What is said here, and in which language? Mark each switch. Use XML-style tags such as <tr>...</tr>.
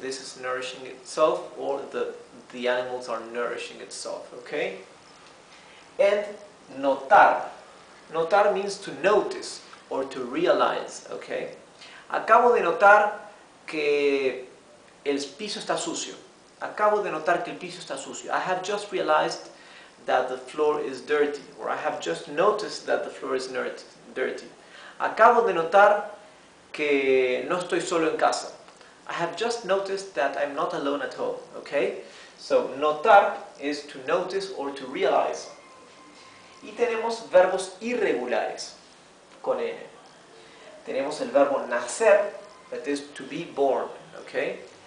<en>This is nourishing itself. Or the animals are nourishing itself. Okay? And notar. Notar means to notice or to realize. Okay?</en> <es>Acabo de notar que el piso está sucio. Acabo de notar que el piso está sucio.</es> <en>I have just realized that the floor is dirty. Or I have just noticed that the floor is dirty.</en> <es>Acabo de notar que no estoy solo en casa.</es> <en>I have just noticed that I'm not alone at home, okay? So, notar is to notice or to realize.</en> <es>Y tenemos verbos irregulares con N. Tenemos el verbo nacer,</es> <en>that is to be born, okay?</en>